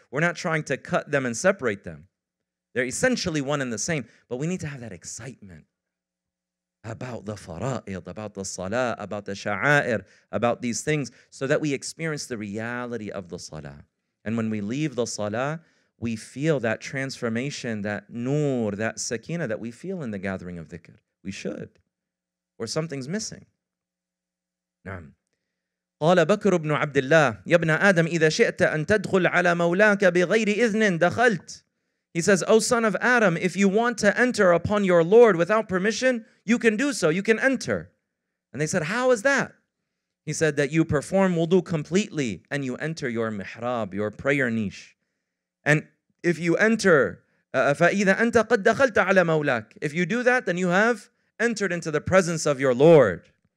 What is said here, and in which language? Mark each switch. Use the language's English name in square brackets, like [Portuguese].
[English] We're not trying to cut them and separate them. They're essentially one and the same, but we need to have that excitement about the fara'id, about the salah, about the sha'air, about these things, so that we experience the reality of the salah. And when we leave the salah, we feel that transformation, that nur, that sakina that we feel in the gathering of dhikr. We should. Or something's missing. Naam. [Arabic] قال بكر بن عبد الله يا ابن آدم إذا شئت أن تدخل على مولاك بغير إذن دخلت. [English] He says, O son of Adam, if you want to enter upon your Lord without permission, you can do so, you can enter. And they said, how is that? He said that you perform wudu completely and you enter your mihrab, your prayer niche. And if you enter, [Arabic] فَإِذَا أَنْتَ قَدْ دَخَلْتَ عَلَى مَوْلَاكَ, [English] if you do that, then you have entered into the presence of your Lord.